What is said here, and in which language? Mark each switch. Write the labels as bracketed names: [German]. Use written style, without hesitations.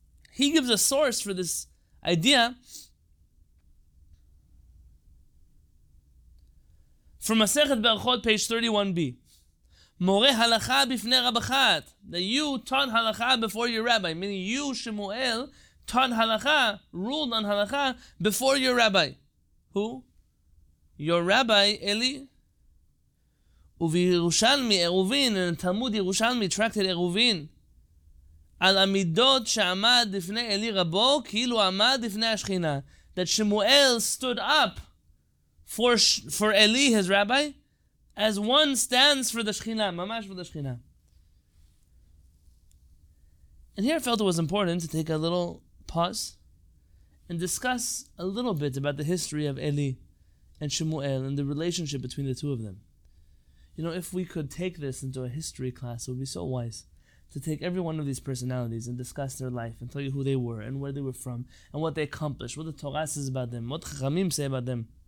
[English] He gives a source for this idea from Masechet Berachot, page 31b. [Hebrew] Mori Halacha Bifnei Rabachat. [English] That you taught Halacha before your rabbi. Meaning you, Shmuel, taught Halacha, ruled on Halacha, before your rabbi. Who? Your rabbi, Eli. [Hebrew] ובירושלמי אירובין, [English] in Talmud Yerushalmi, tracted אירובין, [Hebrew] על עמידות שעמד לפני אלי רבו, כאילו עמד לפני השכינה, [English] that Shmuel stood up for Eli, his rabbi, as one stands for the Shechina, [Hebrew] ממש [English] for the Shechina. And here I felt it was important to take a little pause and discuss a little bit about the history of Eli and Shmuel and the relationship between the two of them. You know, if we could take this into a history class, it would be so wise to take every one of these personalities and discuss their life and tell you who they were and where they were from and what they accomplished, what the Torah says about them, what Chachamim say about them.